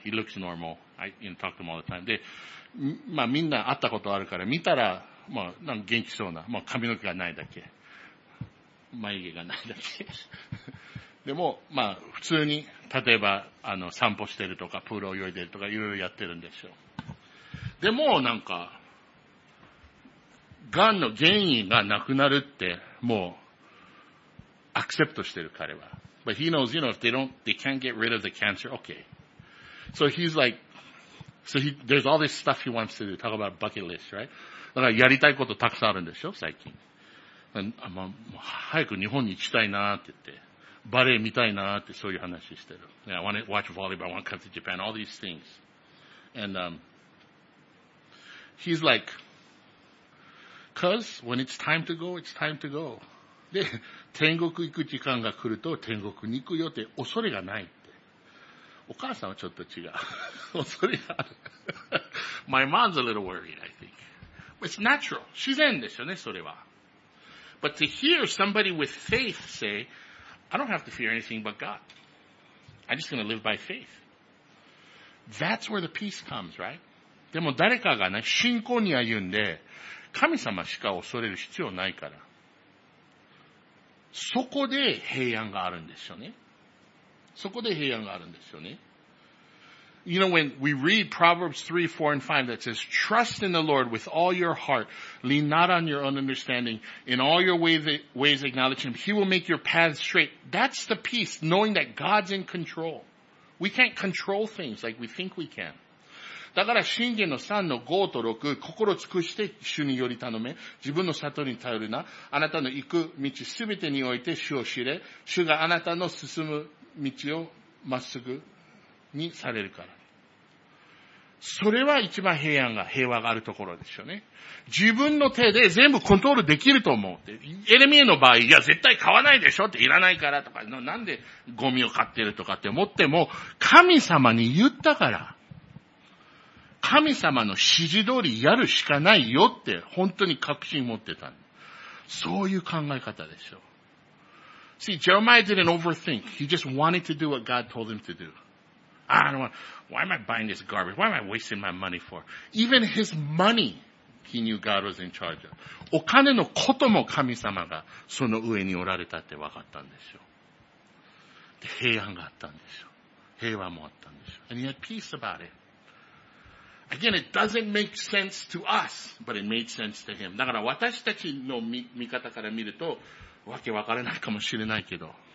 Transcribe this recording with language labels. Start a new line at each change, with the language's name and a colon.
English: He looks normal. I talk to him all the time.
Japanese: で、まあみんな会ったことあるから見たら、まあなんか元気そうな。まあ髪の毛がないだけ。眉毛がないだけ。でも、まあ普通に、例えば散歩してるとかプール泳いでるとかいろいろやってるんでしょう。でもなんか、がんの原因がなくなるって、もう、アクセプトしてる彼は。
English: But he knows, you know, if they can't get rid of the cancer, okay. So he's like, there's all this stuff he wants to do. Talk about bucket list, right?
Japanese: だからやりたいことたくさんあるんでしょ、最近。もう早く日本に行きたいなって言って、バレー見たいなってそういう話してる。
English: Yeah, I want to watch volleyball, I want to come to Japan, all these things. And, he's like,Because when it's time to go, it's time to go.
Japanese: で、天国行く時間が来ると天国に行くよって恐れがないって。お母さんはちょっと違う。恐れがある。
English: My mom's a little worried, I think. It's natural.
Japanese: 自然ですよね、それは。
English: But to hear somebody with faith say, I don't have to fear anything but God. I'm just going to live by faith. That's where the peace comes, right?
Japanese: でも誰かがね、信仰に歩んで、神様しか恐れる必要ないから。そこで平安があるんですよね。そこで平安があるんですよね。
English: You know, when we read Proverbs 3:4-5 that says, Trust in the Lord with all your heart. Lean not on your own understanding. In all your ways acknowledge Him. He will make your path straight. That's the peace, knowing that God's in control. We can't control things like we think we can.
Japanese: だから、箴言の3の5と6、心尽くして主により頼め、自分の悟りに頼るな、あなたの行く道すべてにおいて主を知れ、主があなたの進む道をまっすぐにされるから。それは一番平安が、平和があるところですよね。自分の手で全部コントロールできると思う。エレミエの場合、いや、絶対買わないでしょって、いらないからとか、なんでゴミを買ってるとかって思っても、神様に言ったから、神様の指示通りやるしかないよって本当に確信持ってた。そういう考え方でしょう。
English: See, Jeremiah didn't overthink. He just wanted to do what God told him to do. I don't want, why am I buying this garbage? Why am I wasting my money for? Even his money, he knew God was in charge of.
Japanese: お金のことも神様がその上におられたって分かったんでしょう。で、平安があったんでしょう。平和もあったんでしょう。
English: And he had peace about it. Again, it doesn't make sense to us, but it made sense to him.
Japanese: だから私たちの見方から見ると、わけわからないかもしれないけど。